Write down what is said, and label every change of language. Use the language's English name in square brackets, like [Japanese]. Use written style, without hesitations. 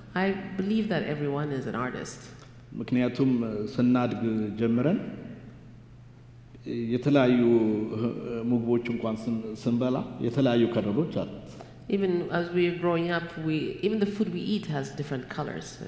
[English] I believe that everyone is an artist. [Amharic] ምክንያቱም ስናድግ ጀምረን የተለያዩ ምግቦች እንኳን ስንበላ የተለያዩ ከለሮች አሉ። [English] Even as we are growing up even the food we eat has different colors